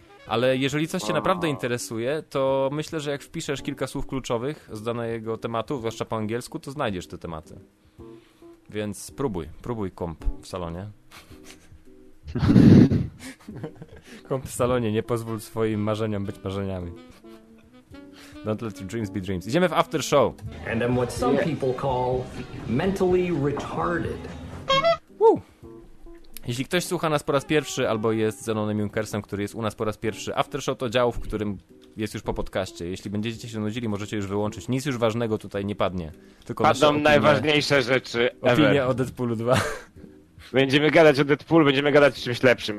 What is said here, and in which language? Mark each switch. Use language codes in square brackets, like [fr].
[pl] Ale jeżeli coś cię naprawdę interesuje, to myślę, że jak wpiszesz kilka słów kluczowych z danego tematu, zwłaszcza po angielsku, to znajdziesz te tematy. Więc próbuj komp w salonie. Komp w salonie, nie pozwól swoim marzeniom być marzeniami. [en] Don't let your dreams be dreams. [pl] Idziemy w after show. [en] And I'm what some people call mentally retarded. Woo. [pl] Jeśli ktoś słucha nas po raz pierwszy, albo jest Zenonem Junkersem, który jest u nas po raz pierwszy, after show to dział, w którym jest już po podcaście. Jeśli będziecie się nudzili, możecie już wyłączyć. Nic już ważnego tutaj nie padnie. Tylko padną opinie, najważniejsze rzeczy ever. Opinia o Deadpoolu 2. Będziemy gadać o Deadpoolu, będziemy gadać o czymś lepszym.